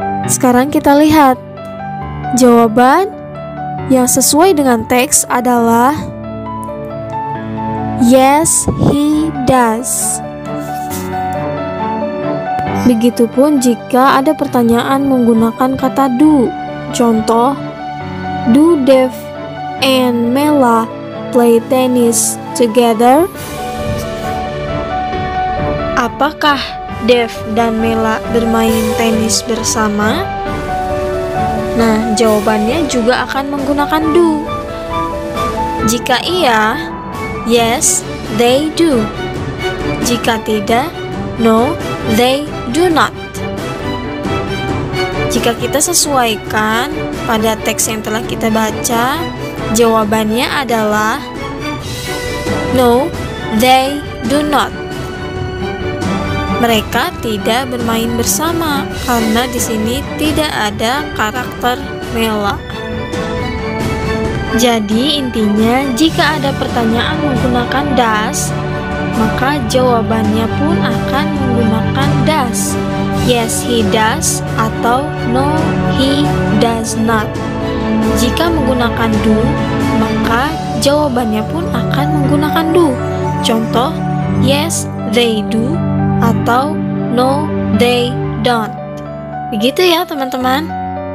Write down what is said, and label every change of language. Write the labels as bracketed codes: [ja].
[id] Sekarang kita lihat. Jawaban yang sesuai dengan teks adalah [en] yes, he does. [id] Begitupun jika ada pertanyaan menggunakan kata do. Contoh, [en] do Dev and Mela play tennis together? [id] Apakah Dev dan Mela bermain tenis bersama? Nah, jawabannya juga akan menggunakan do. Jika iya, [en] yes, they do. [id] Jika tidak, [en] no, they do not. [id] Jika kita sesuaikan pada teks yang telah kita baca, jawabannya adalah [en] no, they do not. [id] Mereka tidak bermain bersama karena di sini tidak ada karakter Mela. Jadi intinya, jika ada pertanyaan menggunakan does, maka jawabannya pun akan menggunakan does. [en] Yes, he does, [id] atau [en] no, he does not. [id] Jika menggunakan do, maka jawabannya pun akan menggunakan do. Contoh, [en] yes, they do, [id] atau [en] no, they don't. [id] Begitu ya, teman-teman.